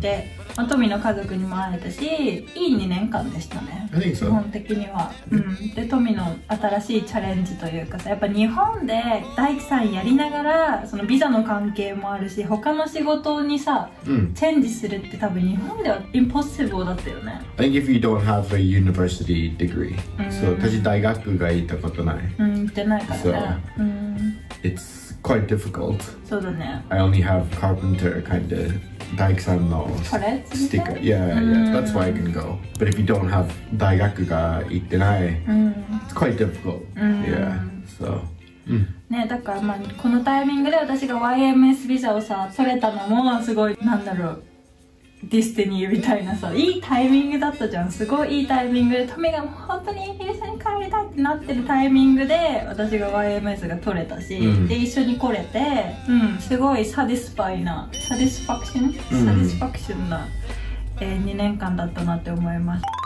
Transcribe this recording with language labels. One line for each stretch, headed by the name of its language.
Japanese: で、まあ、トミの家族にも会えたし、いい2年間でしたね、
English: so.
Japanese: 基本的には、うん、でトミの新しいチャレンジというかさ、やっぱ日本で大工さんやりながらそのビザの関係もあるし他の仕事にさ、うん、チェンジするって多分日本では impossible だったよね。
English: I think if you don't have a university degree、
Japanese: うん、 so 私大学が行ったことない、行ってないからね、
English: so, it's quite difficult。
Japanese: そうだね、
English: I only have carpenter kind of
Japanese: 大工さんのスティッカー、
English: yeah, yeah, that's why I can go. But if you don't have
Japanese: 大学が行ってない、
English: it's quite difficult. Yeah, so.、
Japanese: ね、だからまあこのタイミングで私が YMS ビザをさ取れたのもすごい、なんだろう、ディスティニーみたいなさ、いいタイミングだったじゃん。すごいいいタイミングで、トミがもう本当にイギリスに帰りたいってなってるタイミングで、私が YMS が取れたし、うん、で、一緒に来れて、うん、すごいサディスパイな、サディスファクション、うん、サディスファクションな、2年間だったなって思います。